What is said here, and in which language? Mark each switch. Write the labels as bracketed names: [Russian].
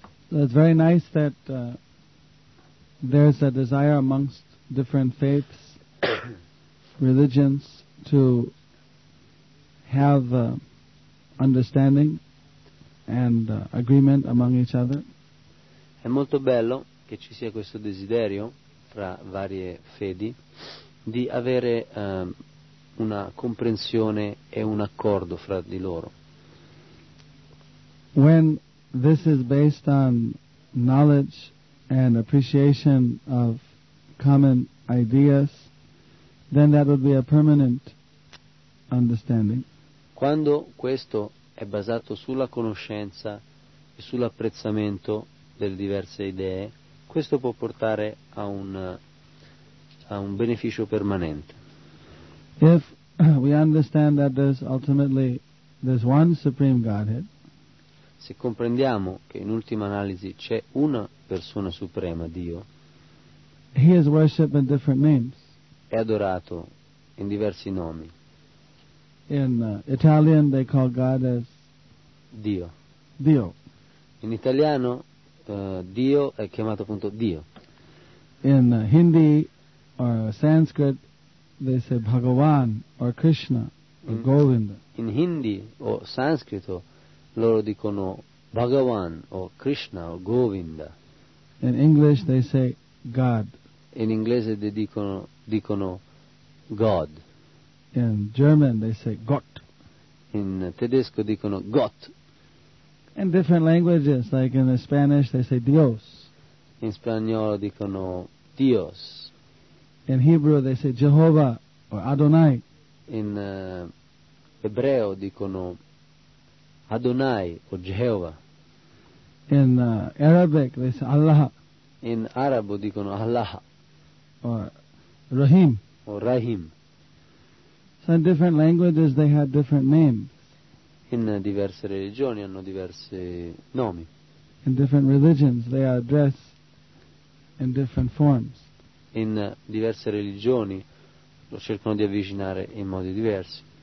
[English] It's very nice that there's a desire amongst different faiths, religions, to have understanding and agreement among each other. [Italian] È molto bello che ci sia questo desiderio fra varie fedi di avere una comprensione e un accordo fra di loro. [English] When this is based on knowledge and appreciation of common ideas, then that would be a permanent understanding. [Italian] Quando questo è basato sulla conoscenza e sull'apprezzamento delle diverse idee, questo può portare a un beneficio permanente. [English] If we understand that there's ultimately there's one supreme Godhead. [Italian] Se comprendiamo che in ultima analisi c'è una persona suprema, Dio. [English] He is worshipped in different names. [Italian] È adorato in diversi nomi. [English] In Italian they call God as [Italian] Dio. Dio. In italiano Dio è chiamato appunto Dio. [English] In Hindi or Sanskrit they say Bhagavan or Krishna or Govinda. [Italian] In Hindi o Sanskrito loro dicono Bhagavan o Krishna o Govinda. [English] In English they say God. [Italian] In inglese [English] they [Italian] dicono God. [English] In German they say Gott. [Italian] In tedesco dicono Gott. [English] In different languages, like in the Spanish they say Dios. [Italian] In spagnolo dicono Dios. [English] In Hebrew they say Jehovah or Adonai. [Italian] In ebreo dicono Adonai o Jehovah. [English] In Arabic they say Allah. [Italian] In arabo dicono Allah. [English] Or Rahim. Or Rahim. So in different languages they had different names. [Italian] In diverse religioni hanno diverse nomi. [English] In different religions they are addressed in different forms. [Italian] In diverse religioni lo cercano di avvicinare in modi diversi.